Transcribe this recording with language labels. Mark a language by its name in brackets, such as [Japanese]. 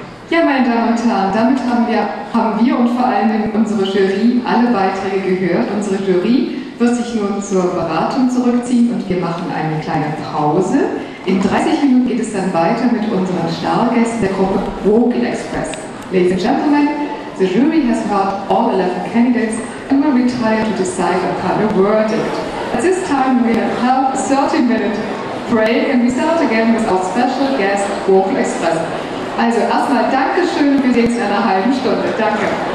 [German] Ja, meine Damen und Herren, damit haben wir und vor allen Dingen unsere Jury alle Beiträge gehört. Unsere Jury wird sich nun zur Beratung zurückziehen und wir machen eine kleine Pause. In 30 Minuten geht es dann weiter mit unseren Stargästen der Gruppe Vocal Express. [English] Ladies and gentlemen, the jury has heard all 11 candidates and will retire to decide upon a verdict. At this time we have a 30-minute break and we start again with our special guest Vocal Express. [German] Also erstmal Dankeschön und wir sehen uns in einer halben Stunde. Danke.